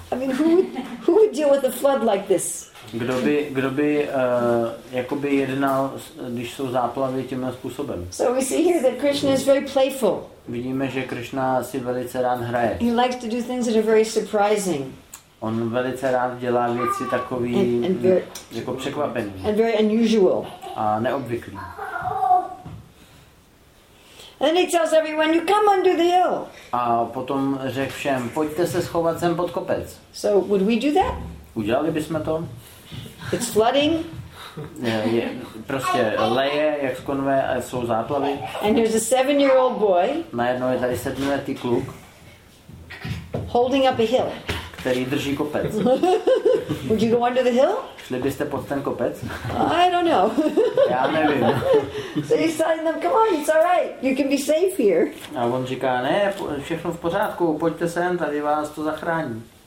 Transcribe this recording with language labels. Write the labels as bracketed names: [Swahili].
[English] I mean, who would deal with a flood like this? [Czech] Kdo by jednal, když jsou záplavy tímhle způsobem? [English] So we see here that Krishna is very playful. [Czech] Vidíme, že Krishna si velice rád hraje. [English] He likes to do things that are very surprising. [Czech] On velice rád dělá věci takový jako překvapený. [English] And very unusual. [Czech] A neobvyklý. [English] And he tells everyone, you come under the hill. [Czech] A potom řekl všem, pojďte se schovat sem pod kopec. [English] So would we do that? [Czech] Udělali bychom to? [English] It's flooding. [Czech] Je, prostě leje, jak z konve, a jsou záplavy. [English] And there's a 7-year-old boy. [Czech] Najednou je tady 7-letý kluk. [English] Holding up a hill. [Czech] Který drží kopec. [English] Would you go under the hill? [Czech] Šli byste pod ten kopec? [English] I don't know. [Czech] Já nevím. [English] So he's telling them, come on, it's all right. You can be safe here. [Czech] A on říká, ne, všechno v pořádku, pojďte sem, tady vás to zachrání.